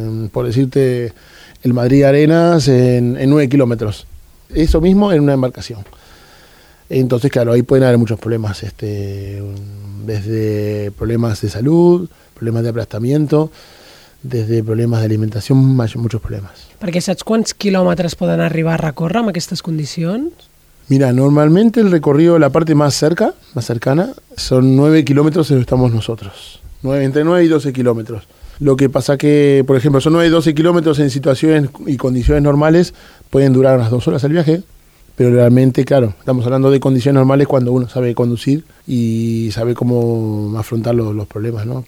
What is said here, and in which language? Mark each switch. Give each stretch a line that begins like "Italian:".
Spanish: Por decirte, el Madrid Arenas en 9 kilómetros, eso mismo en una embarcación. Entonces, claro, ahí pueden haber muchos problemas, desde problemas de salud, problemas de aplastamiento, desde problemas de alimentación, muchos problemas.
Catalan: Perquè saps quants quilòmetres poden arribar a recórrer amb aquestes condicions?
Spanish: Mira, normalmente el recorrido, la parte más cercana, son 9 kilómetros donde estamos nosotros. Entre 9 y 12 kilómetros. Lo que pasa que, por ejemplo, son 9 y 12 kilómetros en situaciones y condiciones normales, pueden durar unas 2 horas el viaje, pero realmente, claro, estamos hablando de condiciones normales cuando uno sabe conducir y sabe cómo afrontar los problemas, ¿no?